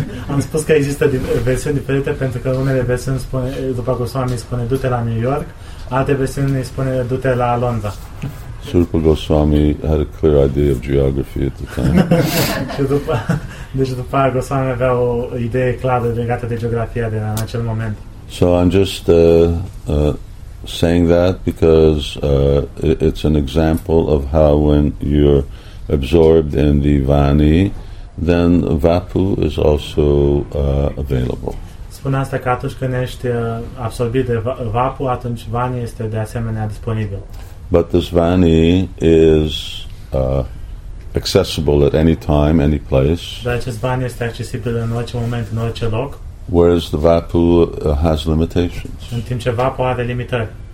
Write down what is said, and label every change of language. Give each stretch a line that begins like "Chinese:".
Romanian: Am spus că există versiuni diferite pentru că unele versiuni spune, după Goswami spune, du-te la New York, alte versiuni spune, du-te la Londra.
English: So Rupa Goswami had a clear idea of geography at the time.
Romanian: Deci după Goswami avea o idee clară legată de geografia de în acel moment.
English: So I'm just saying that because it's an example of how when you're absorbed in the vani, then vapu is also available.
Romanian: Spune asta că atunci când ești absorbit de vapu, atunci vani este de asemenea disponibil.
English: But this vani is accessible at any time, any place.
Romanian: Dar acest vani este accesibil în orice moment, în orice loc.
English: Whereas the vapu has limitations.
Romanian: În timp ce vapu are limitări.